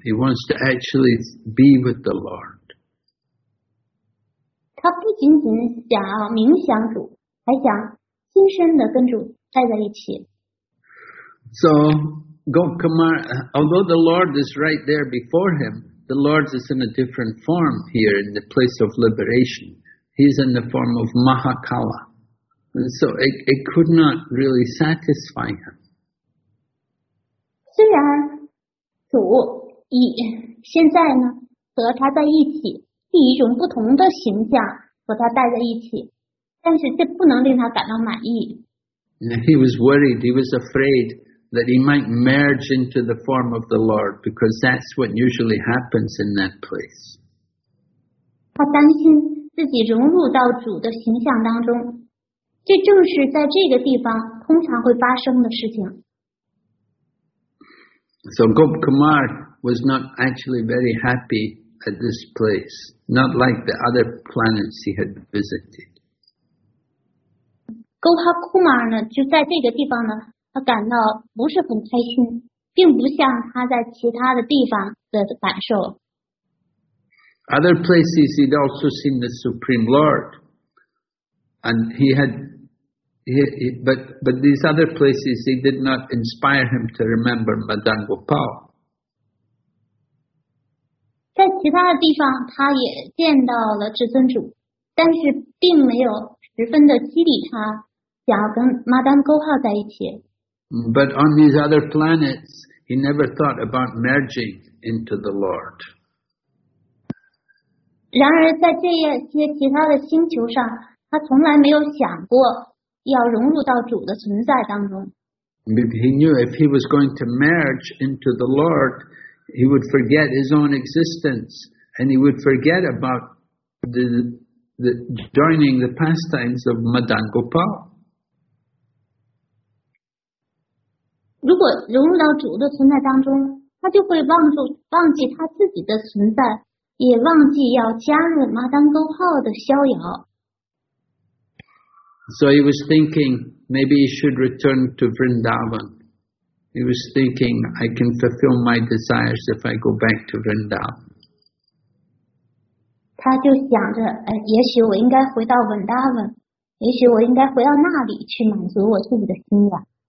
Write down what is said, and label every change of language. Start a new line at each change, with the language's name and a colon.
English: He wants to actually be with the Lord.
Chinese: 他不仅仅想要冥想主，还想亲身的跟主待在一起。
English: So, Gokumar, although the Lord is right there before him, the Lord is in a different form here in the place of liberation. He's in the form of Mahakala. And so it could not really satisfy him.
Chinese: 虽然主以现在呢和他在一起，以一种不同的形象和他待在一起，但是这不能令他感到满意。
English: He was worried, he was afraid. That he might merge into the form of the Lord, because that's what usually happens in that place.
Chinese: 他担心自己融入到主的形象当中，这正是在这个地方通常会发生的事情。
English: So Gopkumar was not actually very happy at this place, not like the other planets he had visited.
Chinese: Gopkumar 呢，就在这个地方呢。他感到不是很开心，并不像他在其他的地方的感受。
English: Other places he'd also seen the Supreme Lord, and but these other places he did not inspire him to remember Madan Gopal.
Chinese: 在其他的地方，他也见到了至尊主，但是并没有十分的激励他想要跟 Madan Gopal 在一起。
English: But on these other planets, he never thought about merging into the Lord.
Chinese: 然而在这些其他的星球上，他从来没有想过要融入到主的存在当中。
English: He knew if he was going to merge into the Lord, he would forget his own existence, and he would forget about the joining the pastimes of Madan Gopal.
Chinese: 如果融入到主的存在当中，他就会忘记他自己的存在，也忘记要加入马丹沟号的逍遥。
English: So he was thinking, maybe he should return to Vrindavan. He was thinking, I can fulfill my desires if I go back to Vrindavan.
Chinese: 他就想着，也许我应该回到 Vrindavan, 也许我应该回到那里去满足我自己的心愿。